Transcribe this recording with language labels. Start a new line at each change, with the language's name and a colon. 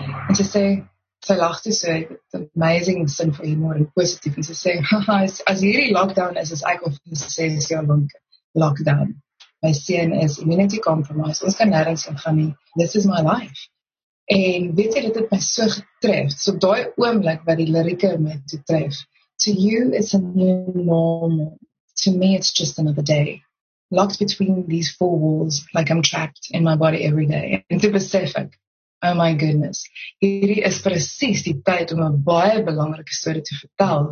Afrikaans: En sy lag toe so, amazing sin vir humor en positief, en sy sê, haha, as hierdie lockdown is ek of sy sê, is jou lang lockdown.
English: My seun is immunity compromised.
Afrikaans: Ons kan nergens gaan nie.
English: This is my life.
Afrikaans: En weet jy, dit het my so getref. So daai oomblik wat die lirieke my getref.
English: To you it's a new normal. To me it's just another day. Locked between these four walls, like I'm trapped in my body every day.
Afrikaans: En toe besef ek,
English: oh my goodness.
Afrikaans: Hierdie is precies die tyd om 'n baie belangrike storie te vertel.